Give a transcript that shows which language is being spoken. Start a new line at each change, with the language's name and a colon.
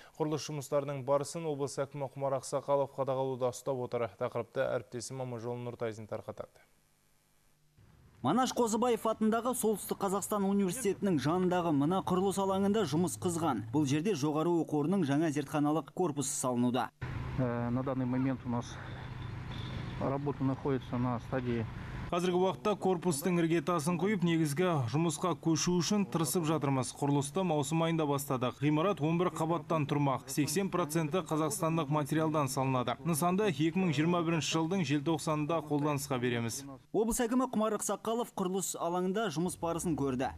Kazakh: Құрылыс жұмыстарының барысын облыс әкімі Құмар Ақсақалов қадағалауда ұстап отыр. Тақырыпты әріптесім Аманжол Нұртай. Манаш Қозыбаев атындағы Солтүстік Қазақстан университетінің жанындағы мына құрылыс алаңында жұмыс қызған. Бұл жерде жоғары оқу орнының жаңа зертханалық корпусы салынуда.
Russian: На данный момент у нас работа находится на стадии.
Kazakh: Қазіргі уақытта корпустың іргетасын қойып, негізгі жұмысқа көшу үшін тырысып жатырмыз. Құрылысты маусым айында бастадық. Ғимарат 11 қабаттан тұрмақ. 80% қазақстандық материалдан салынады. Нысанда 2021 жылдың желтоқсанында қолданысқа береміз. Облыс әкімі Құмар Ақсақалов құрылыс алаңында жұмыс барысын көрді.